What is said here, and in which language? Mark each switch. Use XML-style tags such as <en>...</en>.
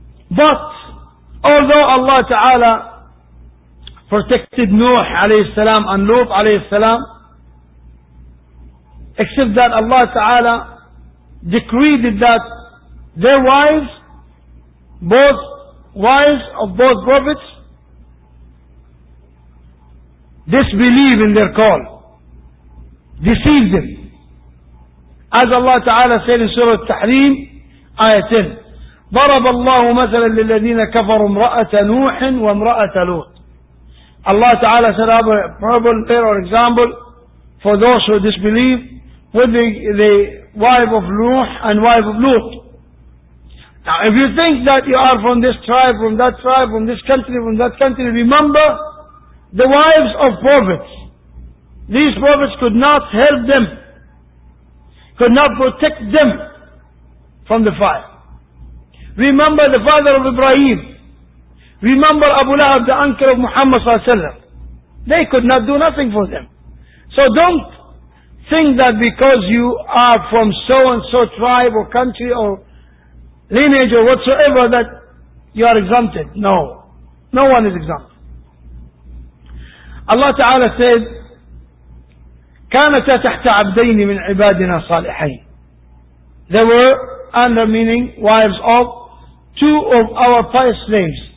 <en>But although Allah Ta'ala protected Nuh alayhi salam and Lut alayhi salam, except that Allah Ta'ala decreed that their wives, both wives of both prophets, disbelieve in their call, deceive them. As Allah Ta'ala said in Surah Tahrim, Ayah 10,</en> <ar>ضَرَبَ اللَّهُ مَثَلًا لِلَّذِينَ كَفَرُوا امْرَأَةَ نُوحٍ وَامْرَأَةَ لُوطٍ.</ar> <en>Allah Ta'ala said, I have a parable or example for those who disbelieve with the wife of Nuh and wife of Lut. Now if you think that you are from this tribe, from that tribe, from this country, from that country, remember the wives of prophets. These prophets could not help them, could not protect them from the fire. Remember the father of Ibrahim. Remember Abu Lahab, the uncle of Muhammad sallallahu alaihi wasallam. They could not do nothing for them. So don't think that because you are from so and so tribe or country or lineage or whatsoever that you are exempted. No. No one is exempt. Allah Ta'ala said,</en> <ar>كانت تحت عبدين من عبادنا صالحين.</ar> <en>They were under, meaning wives of two of our pious slaves.</en>